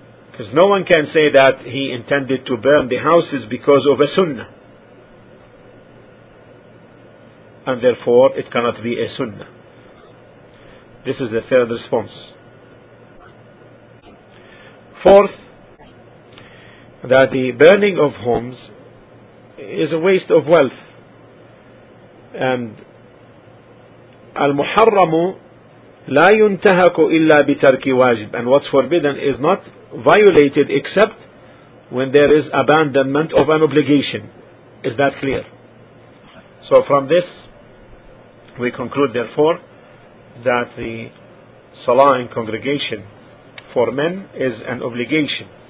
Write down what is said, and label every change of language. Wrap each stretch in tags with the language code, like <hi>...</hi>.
<en>Because no one can say that he intended to burn the houses because of a sunnah, and therefore it cannot be a sunnah. This is the third response. Fourth, that the burning of homes is a waste of wealth.</en> <ar>And المحرم لا ينتهك إلا بترك واجب.</ar> <en>And what's forbidden is not violated except when there is abandonment of an obligation. Is that clear? So from this, we conclude therefore that the salah in congregation for men is an obligation.</en>